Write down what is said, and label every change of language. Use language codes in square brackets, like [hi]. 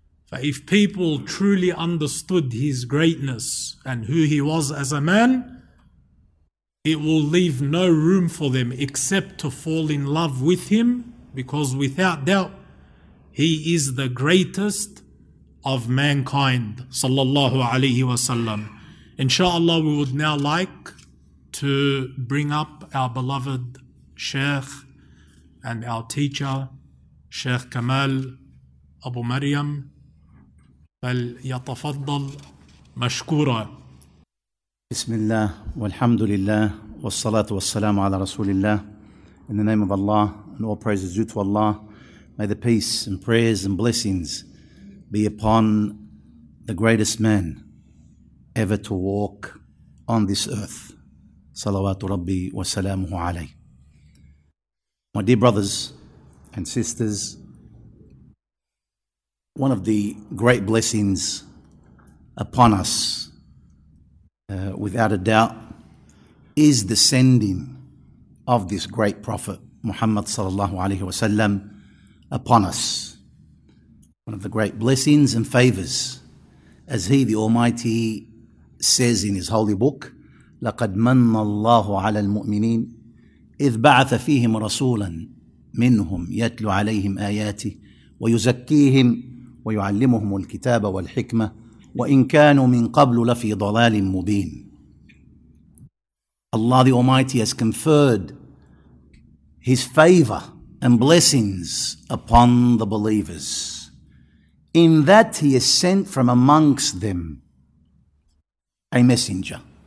[en] But if people truly understood his greatness and who he was as a man, it will leave no room for them except to fall in love with him, because without doubt, he is the greatest of mankind, sallallahu alayhi wa sallam. Inshallah, we would now like to bring up our beloved Sheikh and our teacher, Sheikh Kamal Abu Maryam. [ar] فليتفضل مشكورا بسم الله والحمد لله والصلاة والسلام على رسول الله. [en] In the name of Allah, and all praises due to Allah, may the peace and prayers and blessings be upon the greatest man ever to walk on this earth. [ar] صلوات ربي وسلامه عليه. [en] My dear brothers and sisters, one of the great blessings upon us, without a doubt, is the sending of this great Prophet Muhammad sallallahu alaihi wasallam upon us. One of the great blessings and favors, as He, the Almighty, says in His holy book, [ar] لَقَدْ مَنَّ اللَّهُ عَلَى الْمُؤْمِنِينَ إِذْ بَعَثَ فِيهِمْ رَسُولًا مِنْهُمْ يَتْلُ عَلَيْهِمْ آيَاتِهِ وَيُزَكِّيهِمْ ويعلمهم الكتاب والحكمة وإن كانوا من قبل لفي ضلال مبين. [en] Allah the Almighty has conferred His favor and blessings upon the believers, in that He has sent from amongst them a messenger